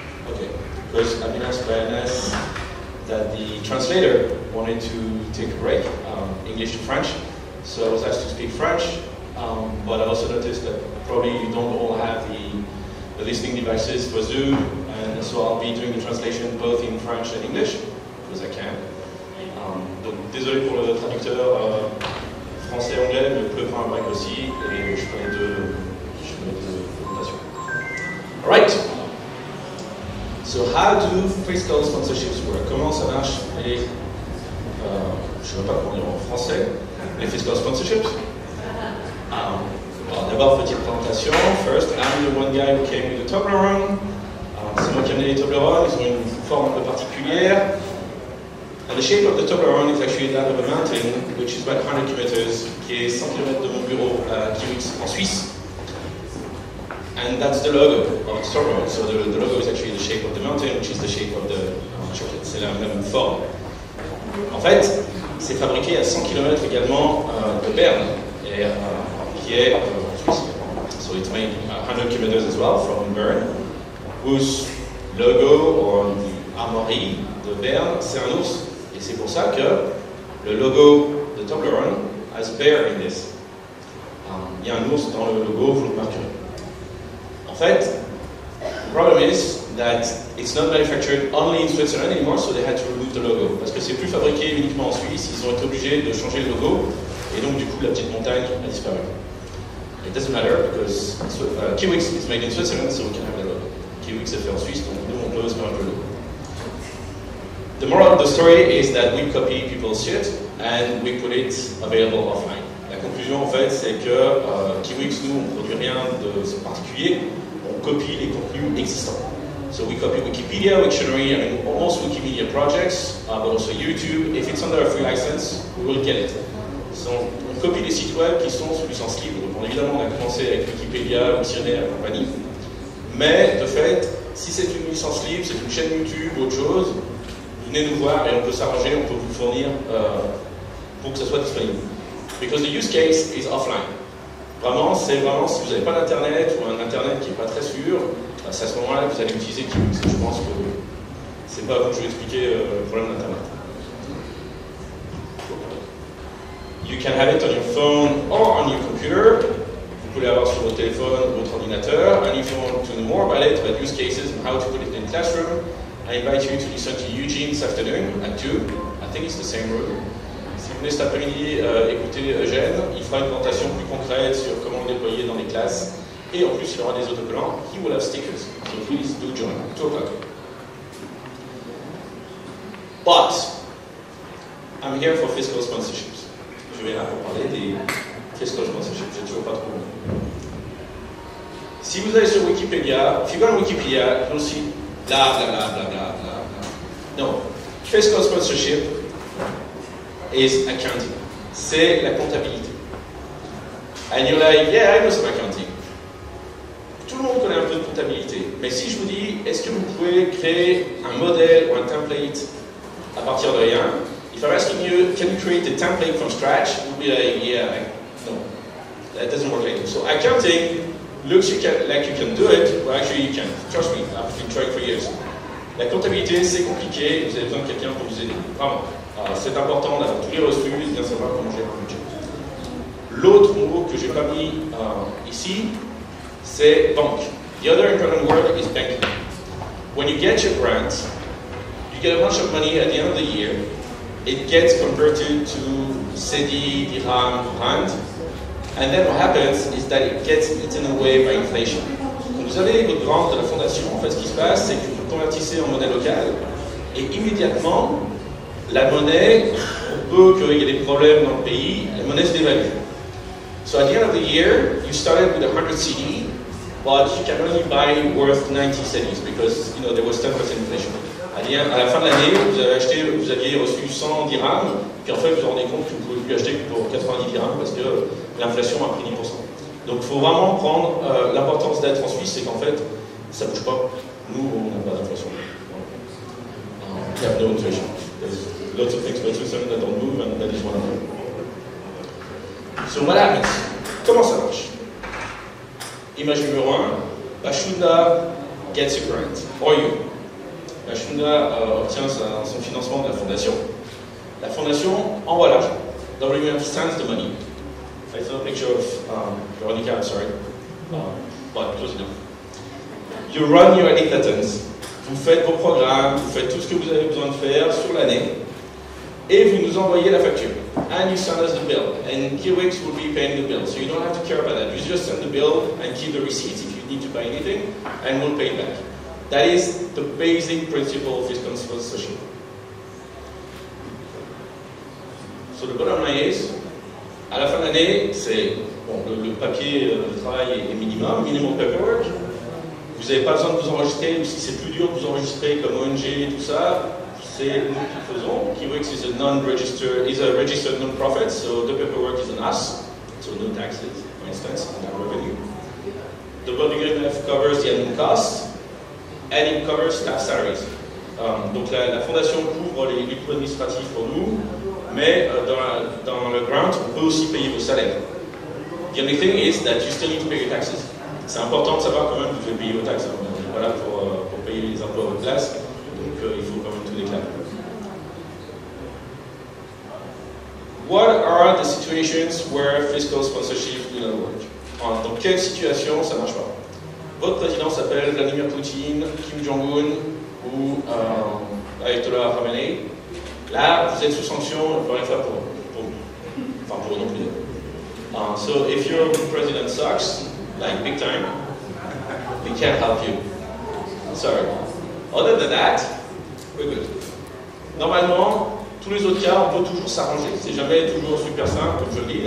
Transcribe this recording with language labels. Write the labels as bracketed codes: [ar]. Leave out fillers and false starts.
[en] Okay, because I've been asked by Anas that the translator wanted to take a break, English to French, so I was asked to speak French, but I also noticed that probably you don't all have the listening devices for Zoom, and so I'll be doing the translation both in French and English, because I can. [fr] Désolé pour le traducteur. Français, anglais, mais peut prendre un break aussi, et je fais les deux présentations. [en] All right. So, how do fiscal sponsorships work? [fr] Comment ça marche? Et, je ne sais pas comment dire en français, les fiscal sponsorships. Well, d'abord, petite présentation. [en] First, I'm the one guy who came with the Toblerone. [fr] C'est moi qui ai amené les Toblerone, ils ont une forme un peu particulière. [en] And the shape of the Toblerone is actually that of a mountain, which is about 100 kilometers, [fr] qui est 100 kilomètres de mon bureau à Zurich en Suisse. [en] And that's the logo of the Toblerone. So the logo is actually the shape of the mountain, which is the shape of the chocolate. [fr] C'est la même forme. En fait, c'est fabriqué à 100 kilomètres également de Berne, et, qui est en Suisse. [en] So it's made 100 kilometers as well from Berne, whose logo or the armory de Berne, [fr] c'est un ours. Et c'est pour ça que le logo de Toblerone [en] has bear in this. [fr] Il y a un ours dans le logo, vous le marquerez. En fait, [en] the problem is that it's not manufactured only in Switzerland anymore, so they had to remove the logo. [fr] Parce que c'est plus fabriqué uniquement en Suisse, ils ont été obligés de changer le logo, et donc du coup la petite montagne a disparu. [en] It doesn't matter because Kiwix is made in Switzerland, so we can have the logo. [fr] Kiwix est fait en Suisse, donc nous on peut se mettre le logo. [en] The moral of the story is that we copy people's shit and we put it available offline. [fr] La conclusion, en fait, c'est que Kiwix, nous, on ne produit rien de particulier, on copie les contenus existants. [en] So we copy Wikipedia, Wiktionary, I mean, almost Wikimedia projects, but also YouTube. If it's under a free license, we will get it. [fr] So on copie des sites web qui sont sous licence libre. Donc évidemment, on a commencé avec Wikipédia, Wiktionary, compagnie. Mais de fait, si c'est une licence libre, c'est une chaîne YouTube, autre chose, venez nous voir et on peut s'arranger, on peut vous fournir pour que ça soit disponible. [en] Because the use case is offline. [fr] Vraiment, c'est vraiment si vous n'avez pas d'internet ou un internet qui n'est pas très sûr, c'est à ce moment-là que vous allez utiliser Qt. Je pense que c'est pas à vous que je vais expliquer le problème d'internet. [en] You can have it on your phone or on your computer. [fr] Vous pouvez l'avoir sur votre téléphone ou votre ordinateur. [en] And if you want to know more about it, about use cases and how to put it in classroom, I invite you to listen to Eugene this afternoon at 2. I think it's the same room. [fr] Si vous venez cet après-midi écouter Eugène, il fera une présentation plus concrète sur comment le déployer dans les classes. Et en plus, il y aura des autocollants. [en] He will have stickers. So please do join. 2 o'clock. But, I'm here for fiscal sponsorships. [fr] Je vais là pour parler des fiscal sponsorships. Je ne trouve pas trop bon. Si vous allez sur Wikipédia, [en] if you go on Wikipédia, you'll see bla bla bla bla bla bla. [fr] Non. [en] Fiscal sponsorship is accounting. [fr] C'est la comptabilité. [en] And you're like, yeah, I know some accounting. [fr] Tout le monde connaît un peu de comptabilité. Mais si je vous dis, est-ce que vous pouvez créer un modèle ou un template à partir de rien? [en] If I'm asking you, can you create a template from scratch? You'll be like, yeah, no. That doesn't work like that. So accounting looks like you can do it, but actually you can't. Trust me, I've been trying for years. [fr] La comptabilité, c'est compliqué. Vous avez besoin de quelqu'un pour vous aider. Vraiment. C'est important d'avoir tous les reçus et de bien savoir comment gérer un budget. L'autre mot que je n'ai pas mis ici, c'est banque. [en] The other important word is banking. When you get your grant, you get a bunch of money at the end of the year, it gets converted to CEDI, DIRHAM, RAND, and then what happens is that it gets eaten away by inflation. [fr] Quand vous avez votre grant de la fondation, en fait, ce qui se passe, c'est que vous convertissez en monnaie locale et immédiatement, la monnaie, on peut qu'il y ait des problèmes dans le pays, la monnaie se dévalue. [en] So at the end of the year, you started with 100 CD, but you can only buy worth 90 CDs because, you know, there was 10% inflation. [fr] À la fin de l'année, vous aviez reçu 100 dirhams, puis en fait, vous vous rendez compte que vous ne pouvez plus acheter que pour 90 dirhams parce que l'inflation a pris 10%. Donc, il faut vraiment prendre l'importance d'être en Suisse, c'est qu'en fait, ça ne bouge pas. Nous, on n'a pas d'inflation. [en] We have no inflation. Lots of things, but you said that don't move, and that is one of them. So what happens? [fr] Comment ça marche? Image numéro 1, [en] Bashunda gets a grant, or you. [fr] Bashunda obtient son financement de la fondation. La fondation envoie l'argent. [en] WMF sends the money. I saw a picture of Veronica, I'm sorry. But close enough. You run your inheritance. [fr] Vous faites vos programmes, vous faites tout ce que vous avez besoin de faire sur l'année. Et vous nous envoyez la facture. [en] And you send us the bill. And Keywix will be paying the bill. So you don't have to care about that. You just send the bill and keep the receipts if you need to buy anything. And we'll pay it back. That is the basic principle of fiscal sponsorship. So the bottom line is, [fr] à la fin de l'année, c'est, bon, le papier de travail est [en] minimum paperwork. [fr] Vous n'avez pas besoin de vous enregistrer, ou si c'est plus dur de vous enregistrer comme ONG et tout ça, c'est nous qui faisons. [en] Keywix is a registered non-profit, so the paperwork is on us, so no taxes, for instance, no revenue. The WMF covers the admin costs, and it covers staff salaries. [fr] Donc la fondation couvre les coûts administratifs pour nous, mais dans le grant, on peut aussi payer vos salaires. [en] The only thing is that you still need to pay your taxes. [fr] C'est important de savoir quand même que vous devez payer vos taxes. On est pas là pour payer les impôts à votre place. Donc il faut quand même tout déclarer. [en] What are the situations where fiscal sponsorship do not work? [fr] Dans quelle situation ça ne marche pas? Votre président s'appelle Vladimir Poutine, Kim Jong-un ou Ayatollah Khamenei. Là, vous êtes sous sanction, on ne peut rien faire pour vous. Enfin, pour eux non plus. [en] So if your president sucks, like big time, we can't help you. Sorry. Other than that, we're good. [fr] Normalement, tous les autres cas, on peut toujours s'arranger. C'est jamais toujours super simple, comme je le dis.